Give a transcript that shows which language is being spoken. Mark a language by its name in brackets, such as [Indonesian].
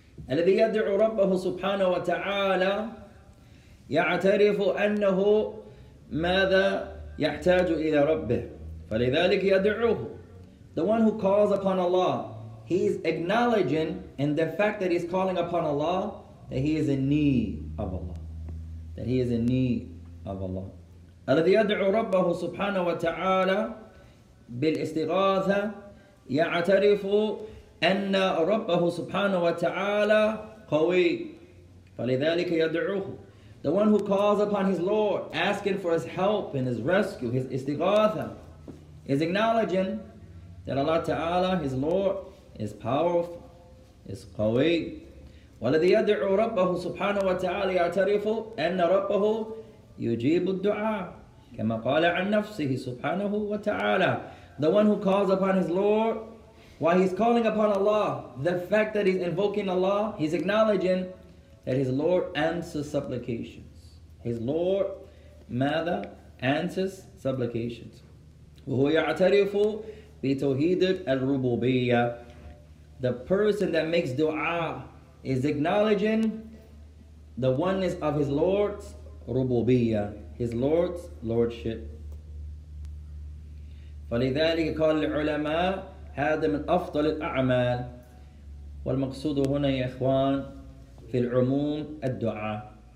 [Arabic] الَّذِي يَدْعُ رَبَّهُ سُبْحَانَهُ وَتَعَالَى يَعْتَرِفُ أَنَّهُ مَاذَا يَحْتَاجُ إِلَى رَبِّهِ فَلِذَلِكَ يَدْعُهُ. [English] The one who calls upon Allah, he is acknowledging in the fact that he's calling upon Allah, that he is in need of Allah. That he is in need of Allah. [Arabic] الذي يدعو ربه سبحانه وتعالى بالاستغاثة يعترف أن ربه سبحانه وتعالى قوي فلذلك يدعوه. [English] The one who calls upon his Lord, asking for his help and his rescue, his استغاثة, is acknowledging that Allah Ta'ala, his Lord, is powerful, is قوي. [Arabic] والذي يدعو ربه سبحانه وتعالى يعترف أن ربه يجيب الدعاء كما قال عن نفسه سبحانه وتعالى. [English] The one who calls upon his Lord, while he's calling upon Allah, the fact that he's invoking Allah, he's acknowledging that his Lord answers supplications. His Lord, [Arabic] ماذا, [English] answers supplications. [Arabic] وهو يعترف بتوحيد الربوبية. [English] The person that makes dua is acknowledging the oneness of his Lord's rububiyyah, his Lord's lordship. [Arabic] فلذلك قال العلماء هذا من أفضل الأعمال والمقصود هنا يا إخوان في العموم الدعاء.